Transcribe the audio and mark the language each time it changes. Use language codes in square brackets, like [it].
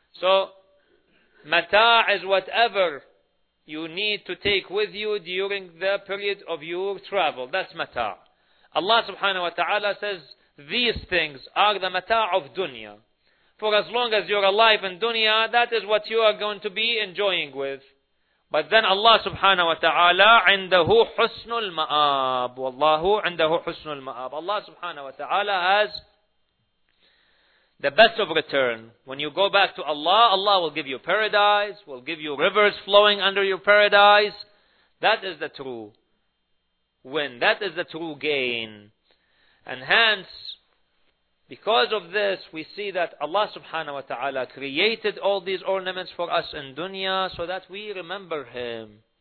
[en] So, mata' is whatever you need to take with you during the period of your travel. That's mata'. Allah subhanahu wa ta'ala says, these things are the mata' of dunya. For as long as you're alive in dunya, that is what you are going to be enjoying with. But then [ar] Allah subhanahu wa ta'ala عنده حسن المآب والله عنده حسن المآب. [en] Allah subhanahu wa ta'ala has the best of return. When you go back to Allah, Allah will give you paradise, will give you rivers flowing under your paradise. That is the true win. That is the true gain. And hence, because of this, we see that Allah subhanahu wa ta'ala created all these ornaments for us in dunya so that we remember Him.